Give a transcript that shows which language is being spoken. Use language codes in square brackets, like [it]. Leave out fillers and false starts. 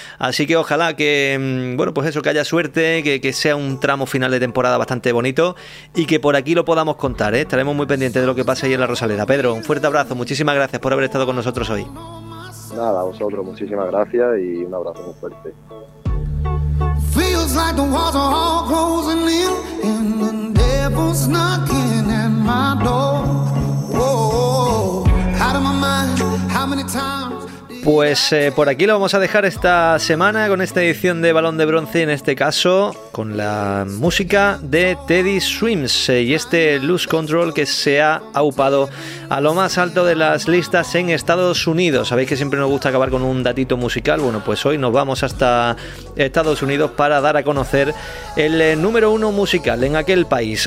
[es] Así que ojalá que, bueno, pues eso, que haya suerte, que sea un tramo final de temporada bastante bonito y que por aquí lo podamos contar, ¿eh? Estaremos muy pendientes de lo que pase ahí en la Rosaleda. Pedro, un fuerte abrazo. Muchísimas gracias por haber estado con nosotros hoy. Nada, a vosotros muchísimas gracias y un abrazo muy fuerte. [en] Feels like the walls are all closing in and the devil's knocking at my door. Oh, out of my mind, how many times. [es] Pues por aquí lo vamos a dejar esta semana con esta edición de Balón de Bronce, en este caso con la música de Teddy Swims y este Lose Control, que se ha aupado a lo más alto de las listas en Estados Unidos. Sabéis que siempre nos gusta acabar con un datito musical. Bueno, pues hoy nos vamos hasta Estados Unidos para dar a conocer el número 1 musical en aquel país.